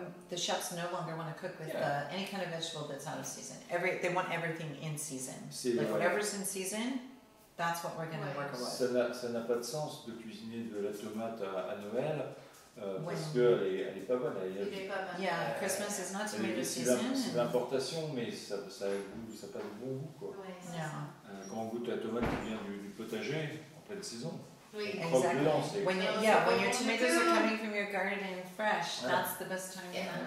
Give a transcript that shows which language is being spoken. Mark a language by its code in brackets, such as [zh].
[en] The chefs no longer want to cook with any kind of vegetable that's out of season. They want everything in season. [fr] C'est [en] like whatever's in season, that's what we're going to work with. [fr] Ça n'a pas de sens de cuisiner de la tomate à Noël. Parce qu'elle n'est pas bonne. [en] Christmas is not tomato season. [fr] C'est l'importation, mais ça pas de bon goût. Quoi. Ouais, quand on goûte la tomate qui vient du potager, en pleine saison, [en] When your tomatoes are coming from your garden fresh, that's the best time in the